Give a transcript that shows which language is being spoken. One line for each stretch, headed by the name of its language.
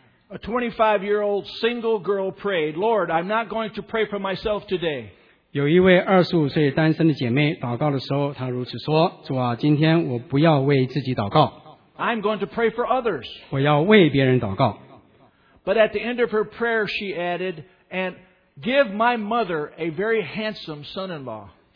English: A 25-year-old single girl prayed, Lord, I'm not going to pray for myself today.
Chinese: 有一位25岁单身的姐妹祷告的时候，她如此说：“主啊，今天我不要为自己祷告。”
English: I'm going to pray for others.
Chinese: 我要为别人祷告。
English: But at the end of her prayer, she added, "And give my mother a very handsome son-in-law."